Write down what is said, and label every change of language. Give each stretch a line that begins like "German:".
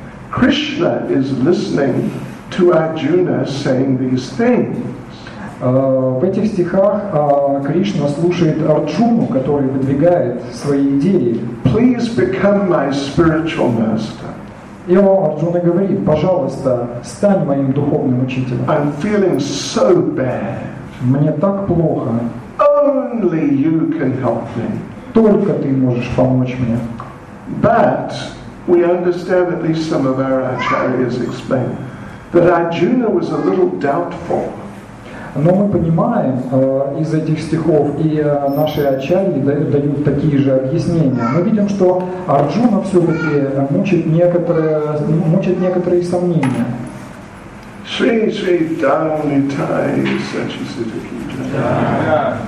English: Krishna is listening to Arjuna saying these things.
Russian: В этих стихах Кришна слушает Арджуну, который выдвигает свои идеи.
English: Please become my spiritual master.
Russian: И Арджуна говорит: пожалуйста, стань моим духовным учителем.
English: I'm feeling so bad.
Russian: Мне так плохо.
English: Only you can help me.
Russian: Только ты можешь помочь мне.
English: But we understand, at least some of our acharyas explain, that Arjuna was a little doubtful.
Russian: Но мы понимаем из этих стихов, и наши ачарьи дают такие же объяснения. Мы видим, что Арджуна все-таки мучит некоторые сомнения. Шри-шри Дхамитай Сачи-Сидхи.